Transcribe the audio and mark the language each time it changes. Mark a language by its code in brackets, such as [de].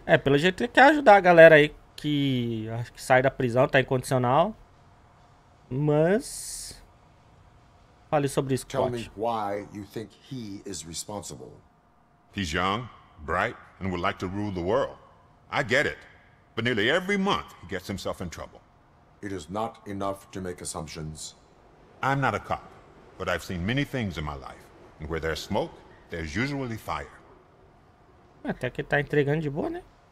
[pt] É, pelo jeito tem que ajudar a galera aí que acho que sai da prisão, tá incondicional. Mas fale sobre isso, [en] tell me why you think he is responsible. He's young, bright, and would like to rule the world. I get it. But nearly every month he gets himself in trouble. It is not enough to make assumptions. I'm not a cop, but I've seen many things in my life. And where there's smoke, there's usually fire. [pt] Até que ele tá entregando de boa, né?